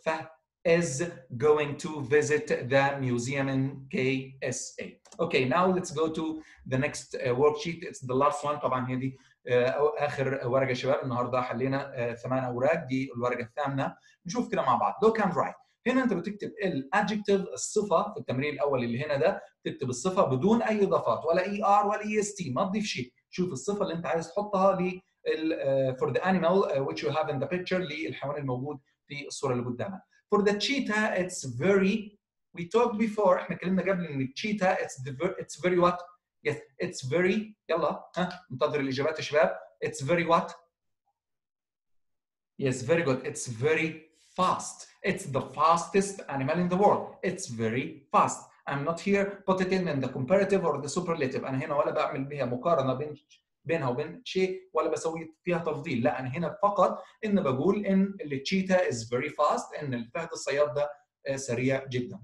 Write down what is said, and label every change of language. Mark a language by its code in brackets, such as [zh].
[en] Fahd is going to visit the museum in KSA. Okay, now let's go to the next worksheet. It's the last one. [ar] طبعا هي دي آخر ورقة شباب. النهاردة حلينا ثمان أوراق. دي الورقة الثامنة. نشوف كده مع بعض. [en] Look and write. [ar] هنا أنت بتكتب الأدجكتيف الصفة في التمرين الأول اللي هنا ده. تكتب الصفة بدون أي إضافات ولا ER ولا EST. ما تضيف شيء. شوف الصفة اللي أنت عايز تحطها لي [en] for the animal which you have in the picture, [ar] للحيوان الموجود في الصورة اللي قدامها. [en] For the cheetah, it's very, we talked before, [ar] احنا كلمنا قبل ان [en] cheetah, it's very what? Yes, it's very, [ar] يلا, منتظر الإجابات يا شباب. [en] It's very what? Yes, very good. It's very fast. It's the fastest animal in the world. It's very fast. I'm not here put it in the comparative or the superlative. [ar] أنا هنا ولا بعمل بها مقارنة بين بينها وبين شيء ولا بسوي فيها تفضيل. لا أنا هنا فقط إن بقول إن التشيتا [en] is very fast. [ar] إن الفهد الصياد ده سريع جدا.